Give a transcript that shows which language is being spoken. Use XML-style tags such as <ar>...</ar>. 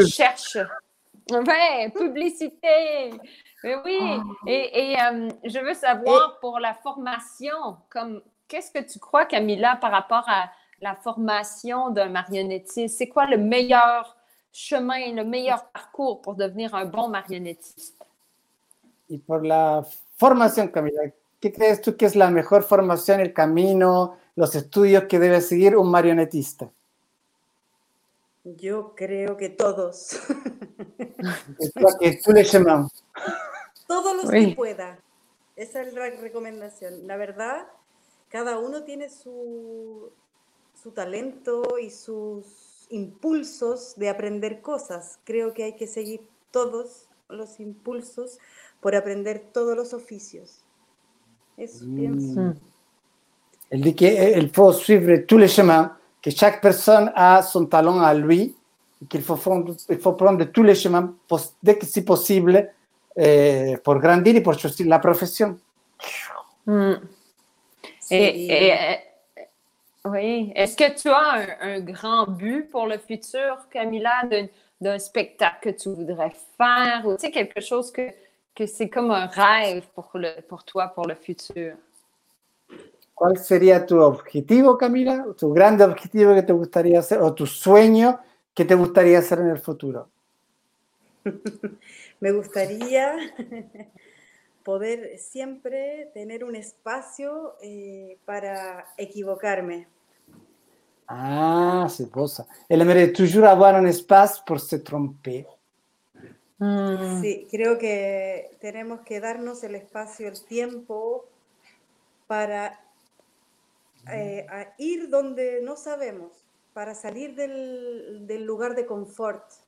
<fr>je cherche. Ouais, publicité. Mais oui. Je veux savoir pour la formation, comme. Qu'est-ce que tu crois, Camilla, par rapport à la formation d'un marionnettiste? C'est quoi le meilleur chemin, le meilleur parcours pour devenir un bon marionnettiste? Et pour la formation,</fr> <es>Camila, ¿qué crees tú que es la mejor formación, el camino, los estudios que debe seguir un marionetista? Yo creo que todos. Que tú le llamas. Todos los que</es> <fr>Oui.</fr> <es>pueda. Esa es la recomendación. La verdad. Cada uno tiene su talento y sus impulsos de aprender cosas. Creo que hay que seguir todos los impulsos por aprender todos los oficios. Eso pienso.</es> <fr>Elle dit qu'il faut suivre tous les chemins, que chaque personne a son talent à lui, et il faut prendre tous les chemins dès que c'est possible pour grandir et pour choisir la profession. Et</fr> <es>Sí.</es> <fr>oui, est-ce que tu as un grand but pour le futur, Camilla, d'un spectacle que tu voudrais faire, ou tu sais, quelque chose que c'est comme un rêve pour toi, pour le futur?</fr> <es>¿Cuál sería tu objetivo, Camila? ¿Tu gran objetivo que te gustaría hacer? ¿O tu sueño que te gustaría hacer en el futuro? Me gustaría poder siempre tener un espacio para equivocarme.</es> <fr>Ah, c'est beau ça. Elle aimerait toujours avoir un espace pour se tromper.</fr> <es>Sí, creo que tenemos que darnos el espacio, el tiempo para ir donde no sabemos, para salir del lugar de confort.</es>